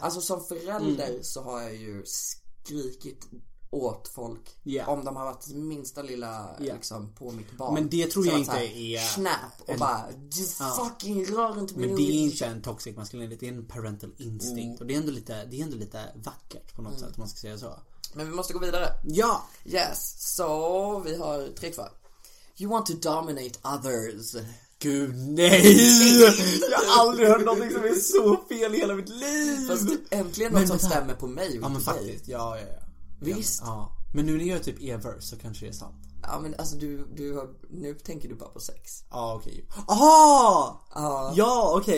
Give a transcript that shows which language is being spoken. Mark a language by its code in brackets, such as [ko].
[sv] Alltså som förälder så har jag ju skrikit åt folk om de har varit minsta lilla liksom på mitt barn. Men det tror jag inte här, är snap och en, bara du fucking rör inte min. Men det är inte en toxic maskulinitet, det är en [en] parental instinct. [sv] Och det är ändå lite vackert på något sätt, om man ska säga så. Men vi måste gå vidare. Ja. Yes. Så vi har 3 kvar. [en] You want to dominate others. [sv] Gud nej. Jag har aldrig hört någonting som är så fel i hela mitt liv. Fast äntligen något men, som men, stämmer på mig. Ja men faktiskt. Ja. Visst. Ja, men nu när jag är typ Evers så kanske det är sant. ja men alltså du har, nu tänker du bara på sex. Ja, ah, okej. Okay. Aha! Ja, okej.